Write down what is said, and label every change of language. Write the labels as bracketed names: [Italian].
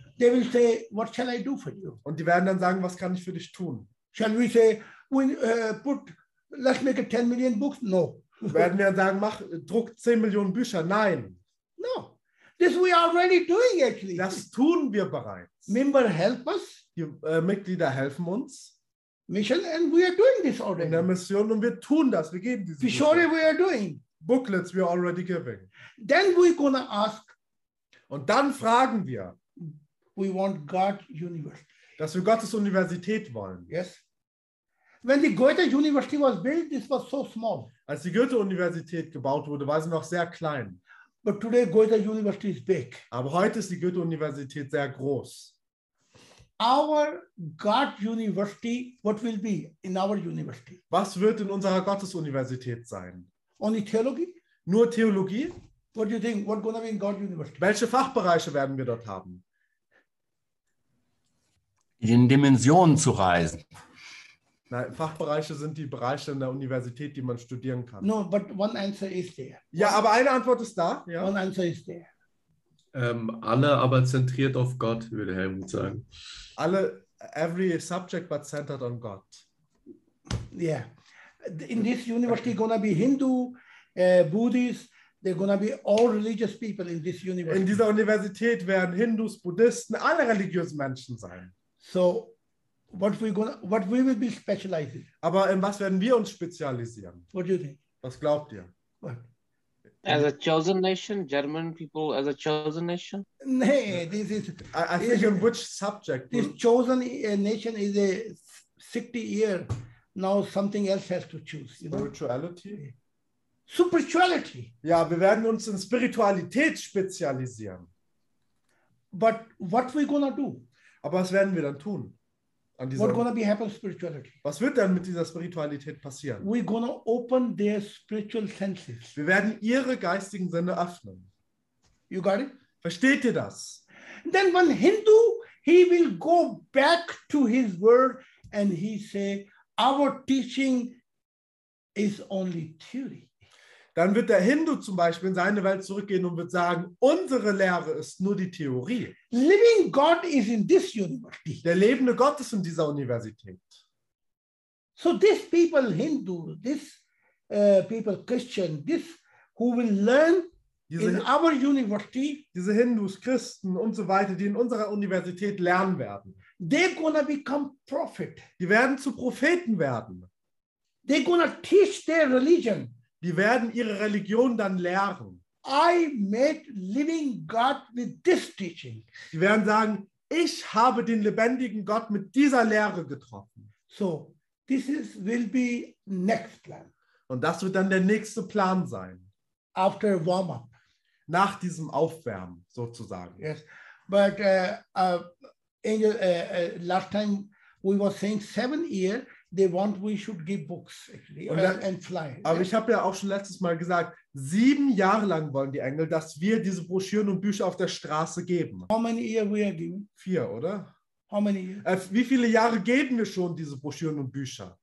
[English] They will say, what shall I do for you? [German] Und die werden dann sagen, was kann ich für dich tun? [English] Shall we say, let's make a 10 million books? No. [German] Werden wir dann sagen, druck 10 Millionen Bücher? Nein. [English] No. This we are already doing actually. [German] Das tun wir bereits. [English] Member help us. [German] Die Mitglieder helfen uns. [English] Mission and we are doing this already. [German] In der Mission und wir tun das. Wir geben diese. [English] Sure we are doing. Booklets we are already giving. Then we gonna ask. [German] Und dann fragen wir. [English] We want God University. [German] Dass wir Gottes Universität wollen. [English] Yes. When the Goethe University was built, this was so small. [German] Als die Goethe Universität gebaut wurde, war sie noch sehr klein. [English] But today Goethe University is big. [German] Aber heute ist die Goethe Universität sehr groß. [English] Our God University, what will be in our university? [German] Was wird in unserer Gottesuniversität sein? [English] Only theology? [German] Nur Theologie? [English] What do you think? What gonna be in God University? [German] Welche Fachbereiche werden wir dort haben? In Dimensionen zu reisen. Nein, Fachbereiche sind die Bereiche in der Universität, die man studieren kann. [English] No, but one answer is there. [German] Ja, aber eine Antwort ist da. Ja. [English] One answer is there. [German] Alle aber zentriert auf Gott, würde Helmut sagen. [English] Alle, every subject but centered on God. Yeah. In this university gonna be Hindu, Buddhist, they're gonna be all religious people in this university. [German] In dieser Universität werden Hindus, Buddhisten, alle religiösen Menschen sein. [English] So, what we will be specializing. [German] Aber in was werden wir uns spezialisieren? [English] What do you think? [German] Was glaubt ihr? [English] As a chosen nation, German people as a chosen nation? Nee, this is... I think in which subject? This chosen nation is a 60 year. Now something else has to choose. You spirituality? Know? Spirituality. [German] Ja, wir werden uns in Spiritualität spezialisieren. [English] But what we gonna do? [German] Aber was werden wir dann tun? [English] What gonna be happen spirituality? [German] Was wird dann mit dieser Spiritualität passieren? [English] We gonna open their spiritual senses. [German] Wir werden ihre geistigen Sinne öffnen. [English] You got it? [German] Versteht ihr das? [English] Then when Hindu, he will go back to his world and he say, our teaching is only theory. [German] Dann wird der Hindu zum Beispiel in seine Welt zurückgehen und wird sagen, unsere Lehre ist nur die Theorie. [English] Living God is in this university. [German] Der lebende Gott ist in dieser Universität. [English] So these people, Hindu, these people, Christian, this who will learn diese, in our university, [German] diese Hindus, Christen und so weiter, die in unserer Universität lernen werden. [English] They're gonna become prophet. [German] Die werden zu Propheten werden. [English] They're gonna teach their religion. [German] Die werden ihre Religion dann lehren. [English] I met living God with this teaching. [German] Die werden sagen, ich habe den lebendigen Gott mit dieser Lehre getroffen. [English] So, this is will be next plan. [German] Und das wird dann der nächste Plan sein. [English] After warm up. [German] Nach diesem Aufwärmen sozusagen. [English] Yes, but Angel, last time we were saying 7 years. They want we should give books actually, and fly. [German] Aber ich habe ja auch schon letztes Mal gesagt, 7 Jahre lang wollen die Engel, dass wir diese Broschüren und Bücher auf der Straße geben. [English] How many years we are giving? [German] 4, oder? [English] How many years? [German] Wie viele Jahre geben wir schon diese Broschüren und Bücher?